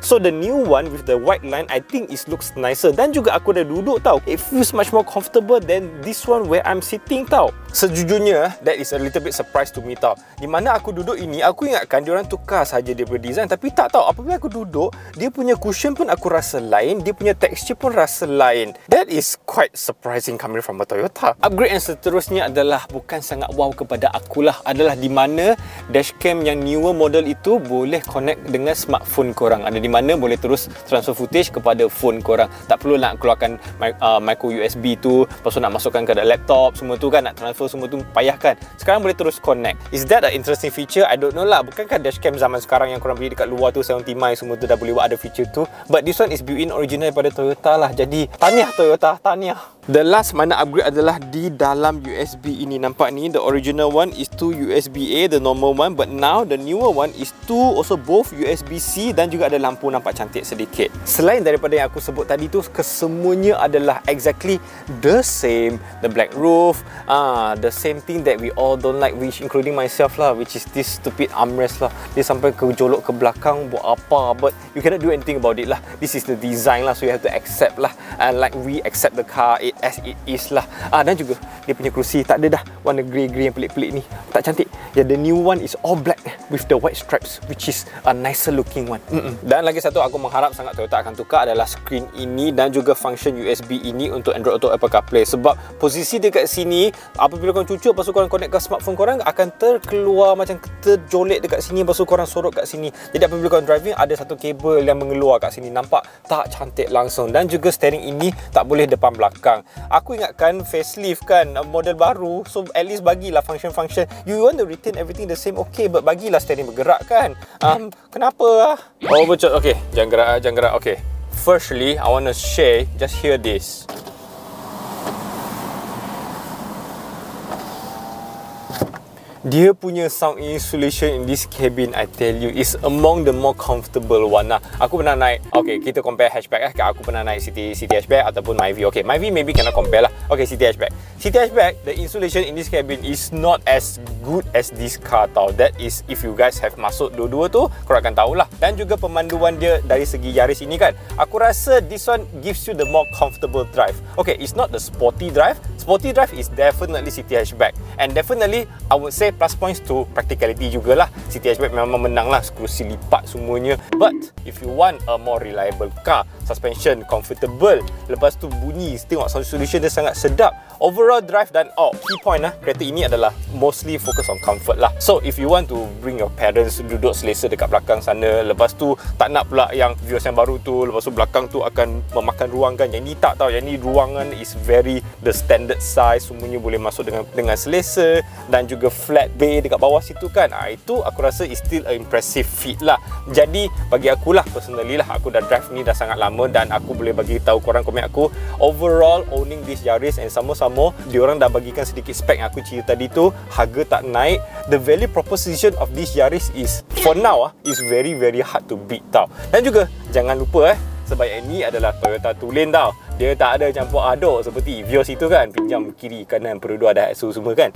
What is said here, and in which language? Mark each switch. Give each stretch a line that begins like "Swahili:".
English: So the new one with the white line, I think it looks nicer.
Malay: Dan juga aku dah duduk
English: tau, it feels much more comfortable than this one where I'm sitting tau. Sejujurnya, that is a little bit surprise to me tau.
Malay: Di mana aku duduk ini, aku ingatkan diorang tukar saja dia punya design. Tapi tak tau, apabila aku duduk, dia punya cushion pun aku rasa lain, dia punya texture pun rasa lain.
English: That is quite surprising coming from a Toyota.
Malay: Upgrade yang seterusnya adalah bukan sangat wow kepada akulah, adalah di mana dashcam yang newer model itu boleh connect dengan smartphone korang. Ada di mana boleh terus transfer footage kepada phone korang. Tak perlu nak keluarkan micro USB tu, lepas tu nak masukkan ke laptop, semua tu kan, nak transfer semua tu payah kan. Sekarang boleh terus connect.
English: Is that an interesting feature? I don't know lah.
Malay: Bukankah dashcam zaman sekarang yang korang beli dekat luar tu 70 mile semua tu dah boleh buat ada feature tu?
English: But this one is built-in original daripada Toyota lah.
Malay: Jadi, tahniah Toyota, tahniah. The last mana upgrade adalah di dalam USB ini. Nampak ni,
English: the original one is 2 USB-A, the normal one. But now, the newer one is 2, also both USB-C
Malay: dan juga ada lampu nampak cantik sedikit. Selain daripada yang aku sebut tadi tu, kesemuanya adalah
English: exactly the same. The black roof, the same thing that we all don't like, which including myself lah, which is this stupid armrest lah.
Malay: Dia sampai kejolok ke belakang, buat apa,
English: but you cannot do anything about it
Malay: lah.
English: This is the design lah, so you have to accept lah. And like we accept the car it as it is lah.
Malay: Dan juga dia punya kerusi tak ada dah warna grey-grey yang pelik-pelik ni, tak cantik.
English: Yeah, the new one is all black with the white stripes, which is a nicer looking one.
Malay: Dan lagi satu aku mengharap sangat Toyota akan tukar adalah screen ini dan juga function USB ini untuk Android Auto, Apple CarPlay. Sebab posisi dekat sini, apabila korang cucuk, lepas tu korang connect ke smartphone korang, akan terkeluar macam terjolek dekat sini, lepas tu korang sorok kat sini. Jadi apabila korang driving, ada satu kabel yang mengeluar kat sini, nampak tak cantik langsung. Dan juga steering ini tak boleh depan belakang. Aku ingatkan facelift kan model baru, so at least bagilah function-function.
English: You want to retain everything the same, okay, but bagilah steering bergerak kan. Kenapa lah?
Malay: Oh betul, okay, jangan gerak.
English: Okay, firstly, I want to share, just hear this.
Malay: Dia punya
English: sound insulation in this cabin, I tell you, is among the more comfortable one lah.
Malay: Aku pernah naik, okay, kita compare hatchback lah. Aku pernah naik City hatchback ataupun Myvi.
English: Okay, Myvi maybe cannot compare lah. Okay, City hatchback, the insulation in this cabin is not as good as this car tau. That is if you guys have masuk dua-dua tu,
Malay: korang akan tahulah. Dan juga pemanduan dia dari segi Yaris ini kan, aku rasa
English: this one gives you the more comfortable drive. Okay, it's not the sporty drive. Sporty drive is definitely City hatchback, and definitely I would say plus points to practicality jugalah.
Malay: City hatchback memang menang lah, kerusi lipat semuanya.
English: But if you want a more reliable car, suspension comfortable,
Malay: lepas tu bunyi, tengok sound solution dia sangat sedap, overall drive, dan oh, key point lah, kereta ini adalah mostly focus on comfort lah.
English: So if you want to bring your parents
Malay: duduk selesa dekat belakang sana, lepas tu tak nak pula yang Vios yang baru tu, lepas tu belakang tu akan memakan ruang kan. Yang ni tak tahu, yang ni ruangan
English: is very the standard size,
Malay: semuanya boleh masuk dengan selesa, dan juga flat bay dekat bawah situ kan. Itu aku rasa
English: is still an impressive feat
Malay: lah. Jadi bagi akulah, personally lah, aku dah drive ni dah sangat lama, dan aku boleh bagi tahu korang komen aku,
English: overall owning this Yaris
Malay: and sama-sama lama, diorang dah bagikan sedikit spek yang aku cerita tadi tu, harga tak naik.
English: The value proposition of this Yaris is, for now, is very very hard to beat tau.
Malay: Dan juga, jangan lupa sebab yang ni adalah Toyota Tulen tau. Dia tak ada campur aduk seperti Vios itu kan, pinjam kiri, kanan, perudu, ada exo semua kan.